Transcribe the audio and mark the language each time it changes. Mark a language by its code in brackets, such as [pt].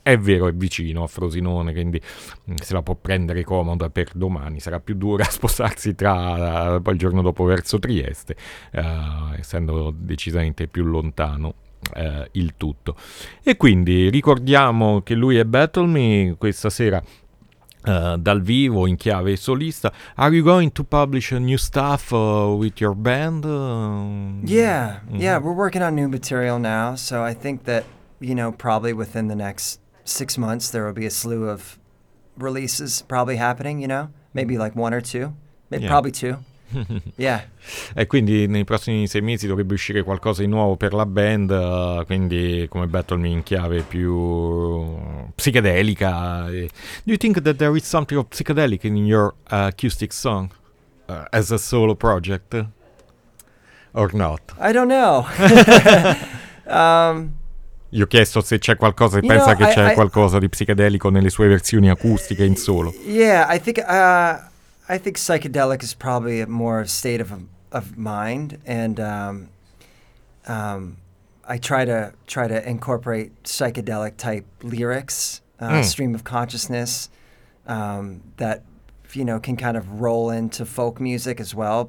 [it] È vero, è vicino a Frosinone, quindi se la può prendere comoda per domani. Sarà più dura spostarsi tra poi il giorno dopo verso Trieste, essendo decisamente più lontano il tutto. E quindi ricordiamo che lui è Battle Me questa sera. Dal vivo in chiave solista. [en] Are you going to publish a new stuff with your band? Yeah, we're working on new material now, so I think that, you know, probably within the next 6 months there will be a slew of releases probably happening, you know, maybe like one or two, maybe probably two. Yeah. [it] E quindi nei prossimi 6 mesi dovrebbe uscire qualcosa di nuovo per la band, quindi come Battle Me in chiave più psichedelica. [en] Do you think that there is something of psychedelic in your acoustic song as a solo project or not? I don't know. [it] Gli ho chiesto se c'è qualcosa, e pensa che c'è qualcosa di psichedelico nelle sue versioni acustiche in solo. [en] Yeah, I think psychedelic is probably a more state of mind, and I try to incorporate psychedelic type lyrics, stream of consciousness, that, you know, can kind of roll into folk music as well.